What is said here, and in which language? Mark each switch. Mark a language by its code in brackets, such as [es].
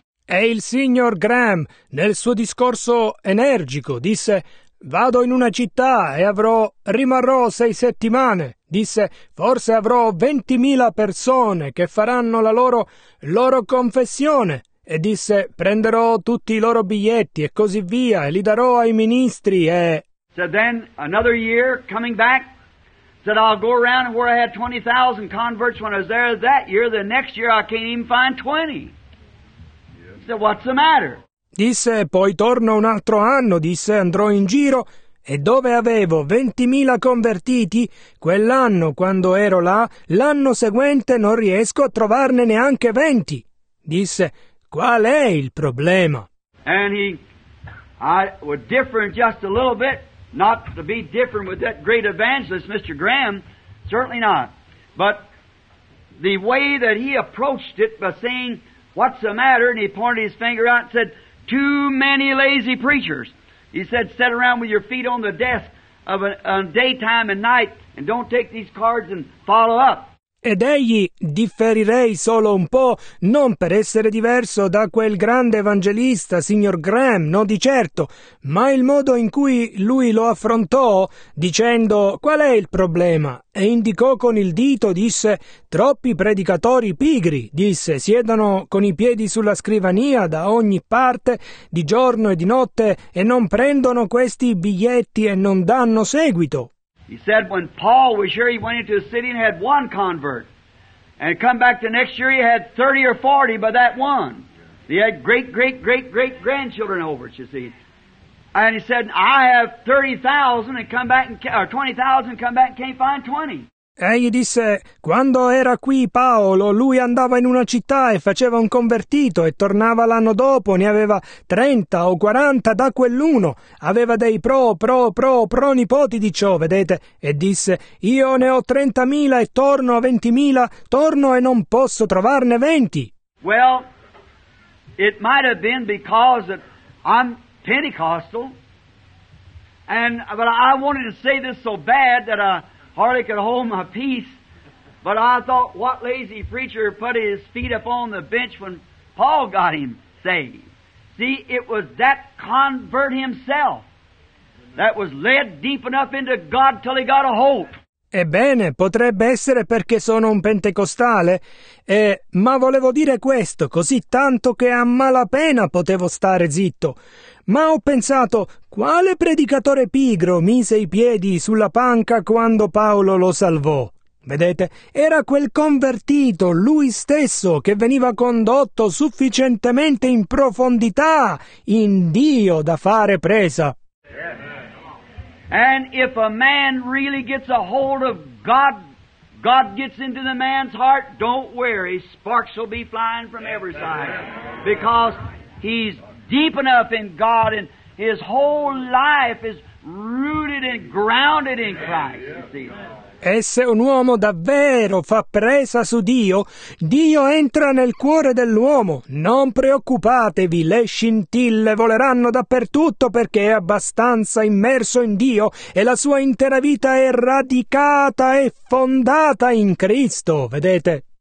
[en] And [it] e il signor Graham, nel suo discorso energico, disse: vado in una città e rimarrò 6 settimane. Disse: forse avrò 20,000 persone che faranno la loro confessione. E disse: prenderò tutti i loro biglietti e così via, e li darò ai ministri. E [en] said then another year coming back, said I'll go around where I had 20,000 converts when I was there that year. The next year I can't even find 20. He said, what's the matter? [it] Disse: poi torno un altro anno, disse, andrò in giro, e dove avevo 20,000 convertiti quell'anno quando ero là, l'anno seguente non riesco a trovarne neanche 20. Disse: qual è il problema? [en] And he, I was different just a little bit, not to be different with that great evangelist, Mr. Graham, certainly not. But the way that he approached it by saying, what's the matter? And he pointed his finger out and said, too many lazy preachers. He said, sit around with your feet on the desk of a daytime and night and don't take these cards and follow up. [it] Ed egli, differirei solo un po', non per essere diverso da quel grande evangelista, signor Graham, no di certo, ma il modo in cui lui lo affrontò, dicendo qual è il problema, e indicò con il dito, disse, troppi predicatori pigri, disse, siedono con i piedi sulla scrivania da ogni parte, di giorno e di notte, e non prendono questi biglietti e non danno seguito. [en] He said when Paul was here, he went into a city and had one convert. And come back the next year, he had 30 or 40 by that one. He had great, great, great, great grandchildren over it, you see. And he said, I have 30,000 and come back, or 20,000 come back and can't find 20. [it] Egli disse, quando era qui Paolo, lui andava in una città e faceva un convertito e tornava l'anno dopo, ne aveva 30 o 40 da quell'uno, aveva dei pronipoti di ciò, vedete, e disse, io ne ho 30,000 e torno a 20,000, torno e non posso trovarne 20. [en] Well, it might have been because I'm Pentecostal, and but I wanted to say this so bad that hardly could hold my peace, but I thought, what lazy preacher put his feet up on the bench when Paul got him saved? See, it was that convert himself that was led deep enough into God till he got a hold. [it] Ebbene, potrebbe essere perché sono un pentecostale, ma volevo dire questo, così tanto che a malapena potevo stare zitto. Ma ho pensato, quale predicatore pigro mise i piedi sulla panca quando Paolo lo salvò? Vedete, era quel convertito, lui stesso, che veniva condotto sufficientemente in profondità, in Dio da fare presa. [en] And if a man really gets a hold of God, God gets into the man's heart, don't worry, sparks will be flying from every side. Because he's deep enough in God and his whole life is rooted and grounded in Christ. You see? [it] E se un uomo davvero fa presa su Dio, Dio entra nel cuore dell'uomo. Non preoccupatevi, le scintille voleranno dappertutto perché è abbastanza immerso in Dio e la sua intera vita è radicata e fondata in Cristo, vedete?